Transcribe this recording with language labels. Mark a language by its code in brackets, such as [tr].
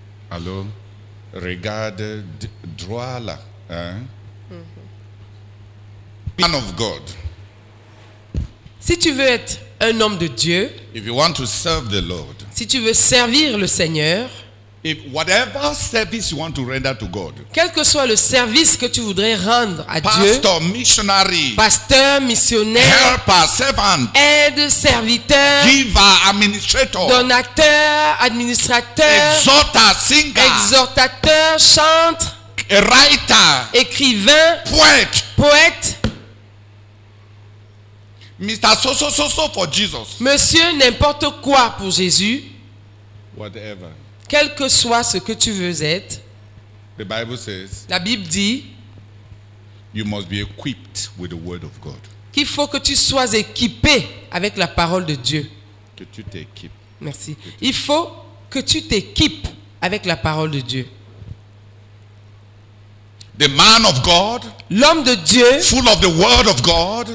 [fr] Allô? Regarde droit là. Hein? Mm-hmm. [en] Man of God. [fr] Si tu veux être un homme de Dieu. [en] If you want to serve the Lord. [fr] Si tu veux servir le Seigneur. [en] If whatever service you want to render to God. [fr] Quel que soit le service que tu voudrais rendre à [en] pastor, [fr] Dieu. [en] Pastor, missionary. [fr] Pasteur, missionnaire. [en] Helper, servant. [fr] Aide, serviteur. [en] Giver, administrator. [fr] Donateur, administrateur. [en] Exhorter, singer. [fr] Exhortateur, chanteur. [en] Writer. [fr] Écrivain. Poète. Poète. [en] Mr. So for Jesus. [fr] Monsieur n'importe quoi pour Jésus. [en] Whatever. [fr] Quel que soit ce que tu veux être. [en] The Bible says, [fr] la Bible dit. [en] You must be equipped with the word of God. [fr] Qu'il faut que tu sois équipé avec la parole de Dieu. Que tu t'équipes. Merci. Il faut que tu t'équipes avec la parole de Dieu. [en] The man of God, [fr] l'homme de Dieu, [en] full of the word of God,